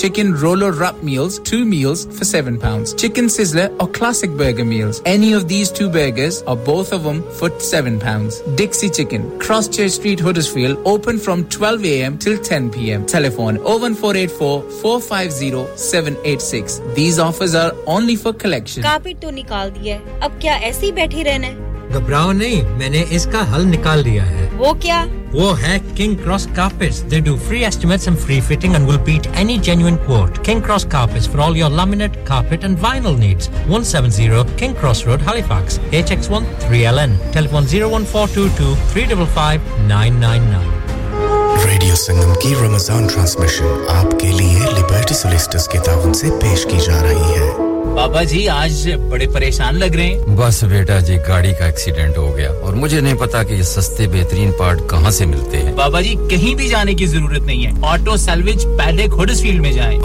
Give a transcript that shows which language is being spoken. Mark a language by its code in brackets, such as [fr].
[en] Chicken roll or wrap meals, 2 meals for £7. Chicken sizzler or classic burger meals, any of these 2 burgers or both of them for £7. Dixie Chicken, Crosschurch Street, Huddersfield, open from 12 a.m. till 10 p.m. Telephone 01484-450-786. These offers are only for collection. [hi] Carpet to nikal diya. Ab kya aise hi baithi rehna hai? घबराओ नहीं मैंने इसका हल निकाल दिया है वो क्या वो है [en] King Cross Carpets they do free estimates and free fitting and will beat any genuine quote King Cross Carpets for all your laminate carpet and vinyl needs 170 King Cross Road Halifax HX1 3LN telephone 01422-355-999 [hi] radio संगम की Ramzan transmission आपके लिए liberty सॉलिस्टर्स के तावन से पेश की जा रही है बाबा जी आज बड़े परेशान लग रहे हैं बस बेटा जी गाड़ी का एक्सीडेंट हो गया और मुझे नहीं पता कि ये सस्ते बेहतरीन पार्ट कहां से मिलते हैं बाबा जी कहीं भी जाने की जरूरत नहीं है ऑटो सेल्वेज पहले हडर्सफील्ड में जाएं